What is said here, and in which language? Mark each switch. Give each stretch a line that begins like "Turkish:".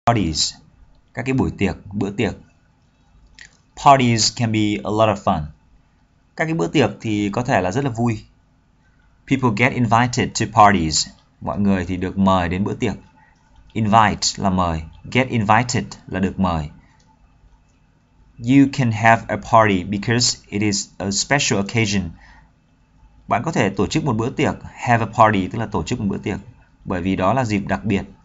English: parties,
Vietnamese: các cái buổi tiệc, bữa tiệc.
English: Parties can be a lot of fun.
Vietnamese: Các cái bữa tiệc thì có thể là rất là vui.
English: People get invited to parties.
Vietnamese: Mọi người thì được mời đến bữa tiệc. Invite là mời,
English: get invited
Vietnamese: là được mời.
English: You can have a party because it is a special occasion.
Vietnamese: Bạn có thể tổ chức một bữa tiệc,
English: have a party
Vietnamese: tức là tổ chức một bữa tiệc, bởi vì đó là dịp đặc biệt.